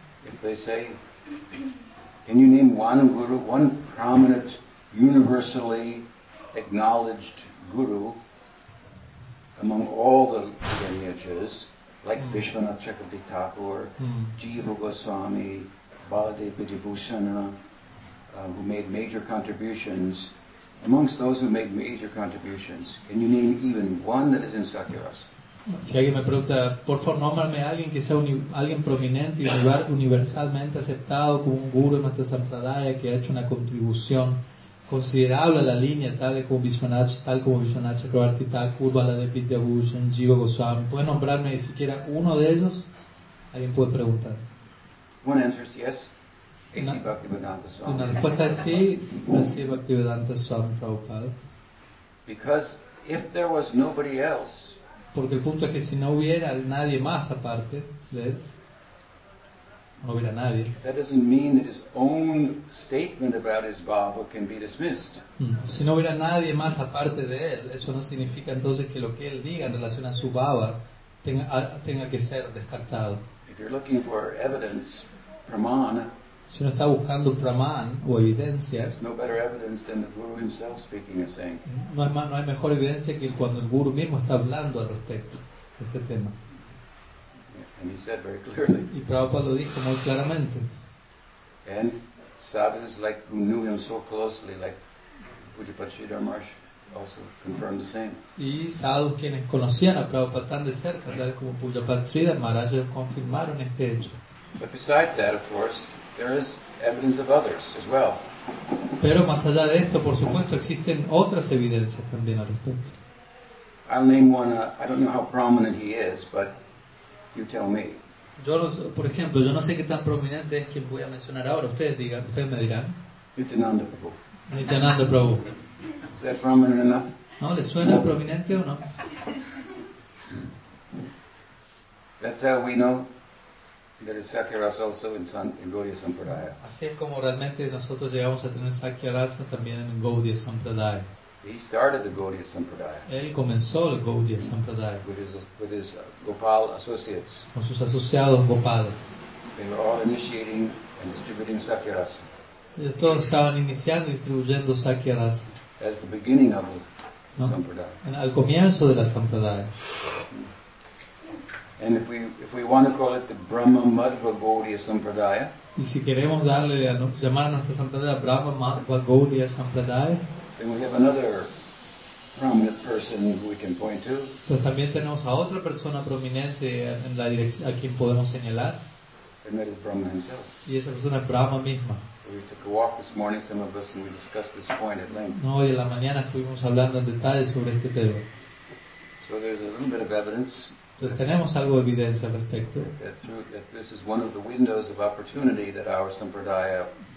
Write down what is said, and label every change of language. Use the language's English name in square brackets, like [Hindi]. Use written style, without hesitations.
[English] If they say, can you name one guru, one prominent, universally acknowledged guru among all the lineages, like Vishwanath Chakravarti Thakur, Jiva Goswami, Baladev Vidyabhushana, who made major contributions, amongst those who made major contributions, can you name even one that is in Sakya Rasa? [Spanish] Si alguien me pregunta, por favor, nómbrame a alguien que sea alguien prominente y universalmente aceptado como un guru en nuestra sampradaya que ha hecho una contribución considerable a la línea, tal como Vishwanath Chakravarti Thakur, Baladev Vidyabhushan, Jiva Goswami. ¿Puede nombrarme siquiera uno de ellos? Alguien puede preguntar. [English] One answer is yes. A.C. Bhaktivedanta Swami. [Spanish] Una respuesta es sí. A.C. Bhaktivedanta Swami Prabhupada. [English] Because if there was nobody else, [Spanish] porque el punto es que si no hubiera nadie más aparte de él, no hubiera nadie. [English] That doesn't mean that his own statement about his bhava can be dismissed. [Spanish] Si no hubiera nadie más aparte de él, eso no significa entonces que lo que él diga en relación a su bhava tenga que ser descartado. [English] If you're looking for evidence, pramana, [Spanish] si uno está buscando pramán o evidencia, [English] no, better evidence than the guru himself speaking and saying. [Spanish] No hay mejor evidencia que cuando el guru mismo está hablando al respecto de este tema. [English] And he said very clearly, [Spanish] y Prabhupada lo dijo muy claramente, [English] And sadhus like who knew him so closely, like Pujapachita Marsh, also confirmed the same. [Spanish] Y sadhus quienes conocían a Prabhupada tan de cerca, tal como Pujapachita Marsh, confirmaron este hecho. [English] But besides that, of course, there is evidence of others as well. [Spanish] Pero más allá de esto, por supuesto, existen otras evidencias también al respecto. [English] I'll name one. I don't know how prominent he is, but you tell me. [Spanish] Yo, por ejemplo, yo no sé qué tan prominente es quien voy a mencionar ahora. Ustedes digan, ustedes me dirán. [English] Nityananda Prabhu. [Spanish] Nityananda Prabhu. [English] Is that prominent enough? [Spanish] ¿No le suena no. prominente o no? [English] That's how we know that is Sakyaras also in Gaudiya Sampradaya. [Spanish] Así es como realmente nosotros llegamos a tener Sakyarasa también en Gaudiya Sampradaya. [English] He started the Gaudiya Sampradaya. [Spanish] Él comenzó el Gaudiya Sampradaya. [English] With his Gopal associates. [Spanish] Con sus asociados Gopales. [English] They were all initiating and distributing Sakyarasa. [Spanish] Ellos todos estaban iniciando y distribuyendo Sakyarasa. [English] As the beginning of the no? Sampradaya. [Spanish] Al comienzo de la Sampradaya. [English] And if we want to call it the Brahma Madhva Gaudiya Sampradaya. [Spanish] Y si queremos darle a llamar a nuestra Sampradaya Brahma Madhva Gaudiya Sampradaya. [English] Then we have another prominent person who we can point to. [Spanish] Entonces también tenemos a otra persona prominente en la dirección a quien podemos señalar. [English] And that is Brahma himself. [Spanish] Y esa persona es Brahma misma. [English] We took a walk this morning, some of us, and we discussed this point at length. [Spanish] No, hoy en la mañana estuvimos hablando en detalle sobre este tema. [English] So there's a little bit of evidence. [Spanish] Entonces tenemos algo de evidencia al respecto. [English] That this is one of the windows of opportunity that our sampradaya.